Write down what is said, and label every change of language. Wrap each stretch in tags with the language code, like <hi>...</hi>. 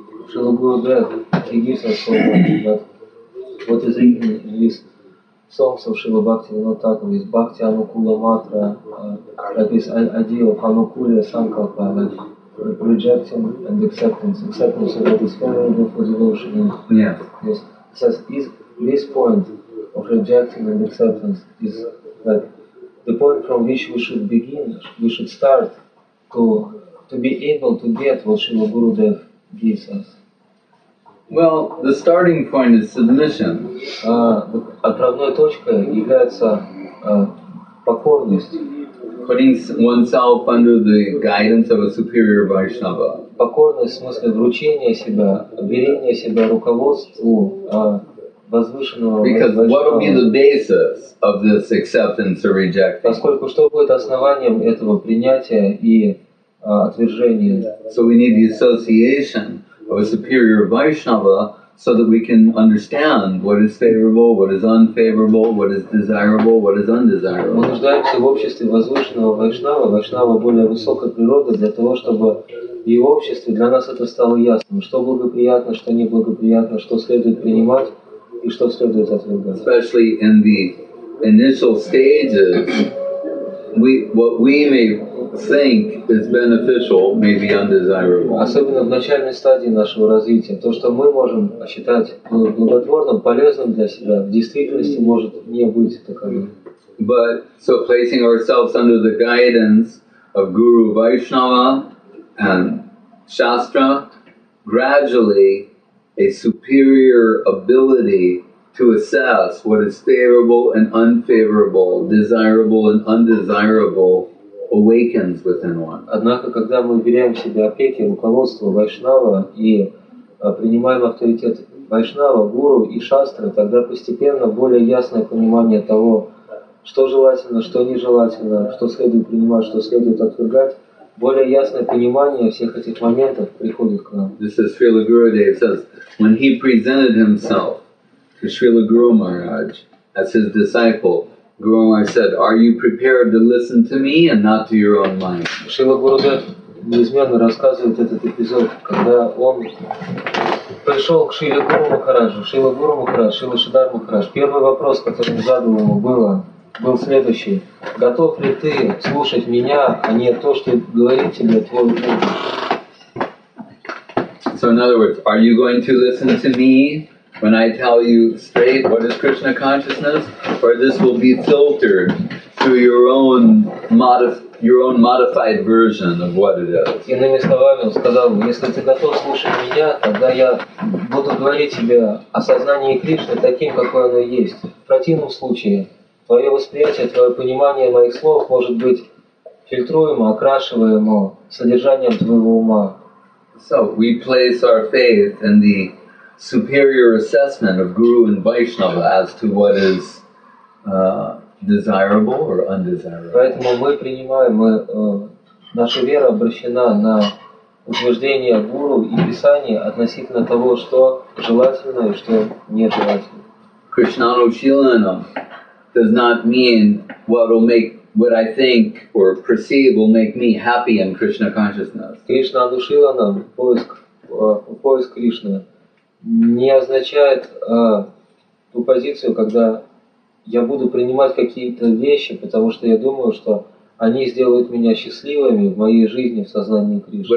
<ru>Шрила Гуруда, единственное слово Бхагавад. Вот из английского. Солнцем Шрила Бхакти Винотаком, из Бхакти Анукула Матра, как из Адио, Анукуля Санкалпа,</ru> <en>like rejecting and acceptance. Acceptance of what is favorable for devotion.</en> <ru>Нет.</ru> <en>Yes. It says, is this point of rejecting and acceptance is that the point from which we should begin, we should start to be able to get what Shrila Gurudev gives us. Well, the starting point is submission.</en> <ru>Отправной точкой является покорность.</ru> <en>Putting oneself under the guidance of a superior Vaishnava.</en> <ru>Покорность в смысле вручения себя, верения себя руководству возвышенного Вайшнава.</ru> <en>Because what would be the basis of this acceptance or rejection?</en> <ru>Поскольку что будет основанием этого принятия и отвержения?</ru> <en>So we need the association of a superior Vaishnava so that we can understand what is favorable, what is unfavorable, what is desirable, what is undesirable.</en> <ru>Мы нуждаемся в обществе возвышенного Вайшнава, Вайшнава более высокой природы, для того, чтобы в обществе для нас это стало ясным, что благоприятно, что неблагоприятно, что следует принимать и что следует отвергать.</ru> <en>Especially in the initial stages, what we may think is beneficial may be undesirable.</en> <ru>Особенно в начальной стадии нашего развития, то, что мы можем считать благотворным, полезным для себя, в действительности может не быть таковым.</ru> <en>But so placing ourselves under the guidance of Guru Vaishnava and Shastra, gradually a superior ability to assess what is favorable and unfavorable, desirable and undesirable awakens within one.</en> <ru>Однако, когда мы берем себе опеки, руководство Вайшнава и принимаем авторитет Вайшнава, гуру и шастры, тогда постепенно более ясное понимание того, что желательно, что нежелательно, что следует принимать, что следует отвергать, более ясное понимание всех этих моментов приходит к нам.</ru> <en>This is Srila Gurudev says, when he presented himself to Srila Guru Maharaj as his disciple, Guru Maharaj said, are you prepared to listen to me and not to your own mind?</en> <ru>Шрила Гурудев неизменно рассказывает этот эпизод, когда он пришел к Шриле Гуру Махараджу, Шрила Гуру Махарадж, Шрила Шридхар Махарадж. Первый вопрос, который он задал ему, был следующий. Готов ли ты слушать меня, а не то, что говорит тебе твой ум?</ru> <en>So in other words, are you going to listen to me when I tell you straight what is Krishna consciousness, or this will be filtered through your own modified version of what it is.</en> <ru>Иными словами, он сказал, если ты готов слушать меня, тогда я буду говорить тебе о сознании Кришны таким, какое оно есть. В противном случае, твое восприятие, твое понимание моих слов может быть фильтруемо, окрашиваемо содержанием твоего ума.</ru> <en>So we place our faith in the superior assessment of Guru and Vaishnava as to what is desirable or undesirable.</en> <ru>Поэтому мы принимаем, наша вера обращена на утверждение Гуру и Писания относительно того, что желательно и что нежелательно.</ru> <en>Krishnanushilanam does not mean what I think or perceive will make me happy in Krishna consciousness.</en> <ru>Krishnanushilanam, поиск Кришны, не означает ту позицию, когда я буду принимать какие-то вещи, потому что я думаю, что они сделают меня счастливыми в моей жизни, в сознании Кришны.</ru>